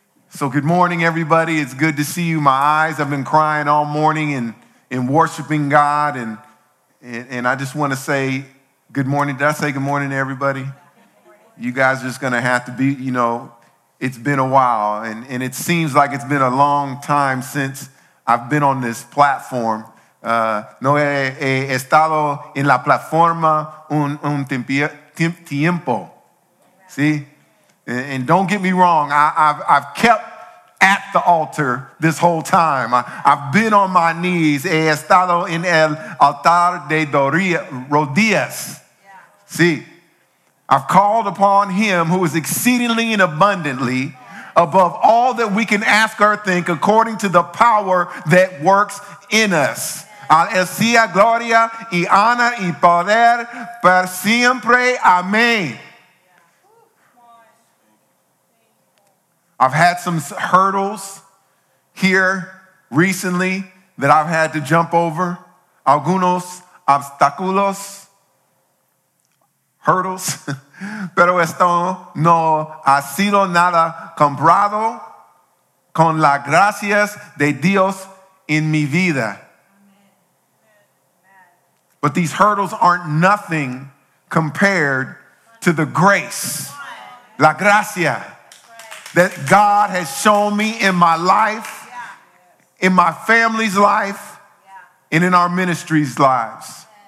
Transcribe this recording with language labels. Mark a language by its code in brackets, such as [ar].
[en] So good morning, everybody. It's good to see you. My eyes, I've been crying all morning and worshiping God. And I just want to say good morning. Did I say good morning to everybody? You guys are just going to have to be, you know, it's been a while. And it seems like it's been a long time since I've been on this platform. [es] No he estado en la plataforma un tiempo. [en] See? And don't get me wrong. I've kept at the altar this whole time. I've been on my knees. [es] He estado en el altar de rodillas. [en] See? I've called upon Him who is exceedingly and abundantly above all that we can ask or think, according to the power that works in us. [es] Al sea gloria y honor y poder para siempre. Amén. [en] I've had some hurdles here recently that I've had to jump over. [es] Algunos obstáculos, hurdles. Pero esto no ha sido nada comparado con las gracias de Dios en mi vida. [en] But these hurdles aren't nothing compared to the grace, [es] la gracia, [en] that God has shown me in my life, in my family's life, and in our ministry's lives.